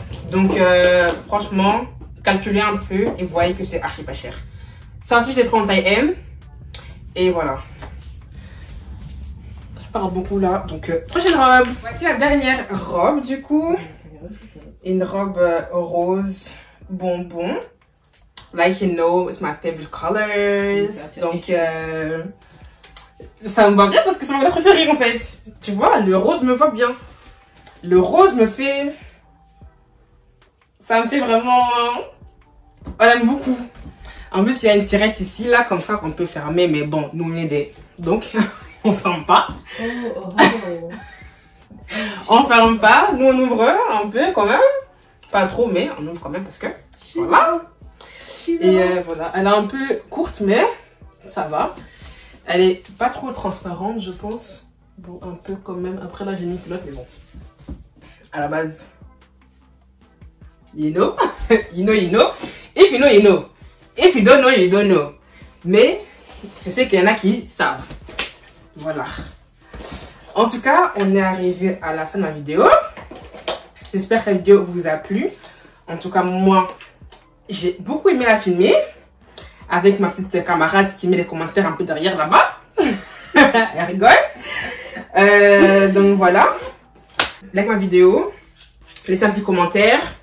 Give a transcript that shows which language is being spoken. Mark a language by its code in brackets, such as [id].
[fr] Donc franchement, calculez un peu et voyez que c'est archi pas cher. Ça aussi je l'ai pris en taille M. Et voilà. Je parle beaucoup là. Donc prochaine robe. Voici la dernière robe du coup. Une robe rose bonbon. [en] Like you know, it's my favorite colors. [fr] Donc, ça me va bien parce que c'est ma couleur préférée en fait. Tu vois, le rose me va bien. Le rose me fait. Ça me fait vraiment. On aime beaucoup. En plus, il y a une tirette ici, là, comme ça, qu'on peut fermer. Mais bon, nous, on est des. Donc, on ferme pas. Oh, oh. On ferme pas. Nous, on ouvre un peu quand même. Pas trop, mais on ouvre quand même parce que. Voilà. Et voilà, elle est un peu courte, mais ça va. Elle est pas trop transparente, je pense. Bon, un peu quand même. Après, là, j'ai mis culotte, mais bon. À la base, [en] you know, you know, you know. If you know, you know. If you don't know, you don't know. [fr] Mais je sais qu'il y en a qui savent. Voilà. En tout cas, on est arrivé à la fin de ma vidéo. J'espère que la vidéo vous a plu. En tout cas, moi. J'ai beaucoup aimé la filmer avec ma petite camarade qui met les commentaires un peu derrière là-bas. Elle rigole. Donc voilà. Like ma vidéo. Laissez un petit commentaire.